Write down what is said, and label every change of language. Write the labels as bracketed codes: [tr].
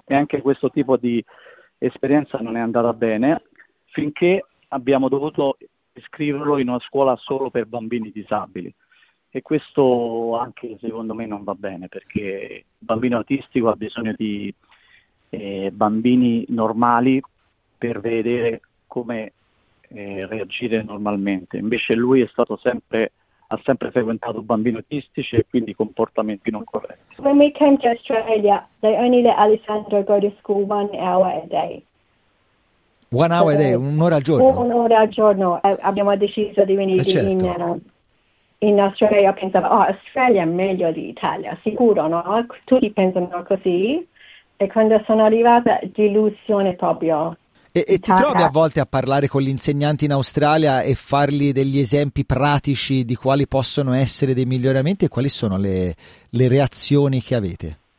[it] E anche questo tipo di esperienza non è andata bene, finché abbiamo dovuto iscriverlo in una scuola solo per bambini disabili, e questo anche secondo me non va bene, perché il bambino autistico ha bisogno di bambini normali per vedere come reagire normalmente. Invece lui ha sempre frequentato bambini autistici e quindi comportamenti non corretti. [en] When we came to Australia, they only let Alessandro go to school 1 hour a day. 1 hour a day, [it] un'ora al giorno. Un'ora al giorno abbiamo deciso di venire in Australia. Pensavo, oh, Australia è meglio di Italia, sicuro, no? Tutti pensano così. E quando sono arrivata, delusione proprio. E ti trovi a volte a parlare con gli insegnanti in Australia e fargli degli esempi pratici di quali possono essere dei miglioramenti e quali sono le reazioni che avete?